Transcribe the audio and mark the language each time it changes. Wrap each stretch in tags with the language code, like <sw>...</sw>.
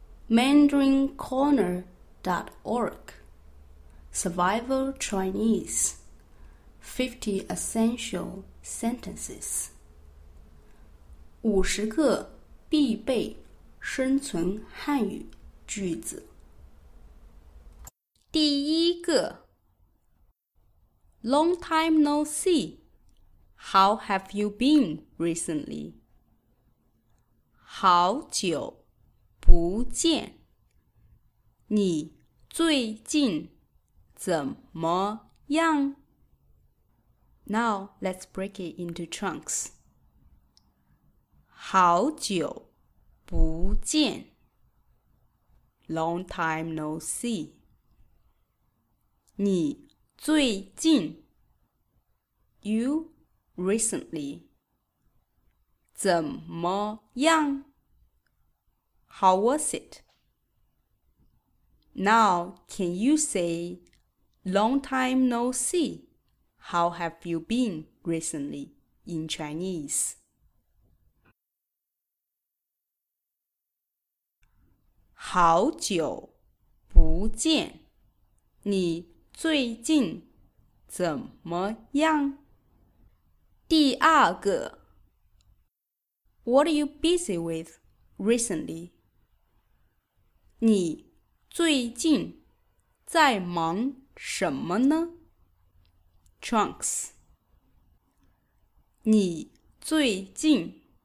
<en>MandarinCorner.org Survival Chinese 50 Essential Sentences</en> <zh>50个必备生存汉语句子第一个</zh> <en>Long time no see How have you been recently?</en> <zh>好久不见，你最近怎么样？</zh> <en>Now let's break it into chunks.</en> <zh>好久不见</zh> <en>Long time no see.</en> <zh>你最近</zh> <en>You recently</en> <zh>怎么样？</zh> <en>How was it? Now, can you say, long time no see, how have you been recently in Chinese?</en> <zh>好久不见，你最近怎么样？第二个</zh> <en>What are you busy with recently?</en> <zh>你最近在忙什么呢?</zh> <en>Trunks</en> <zh>你最近</zh>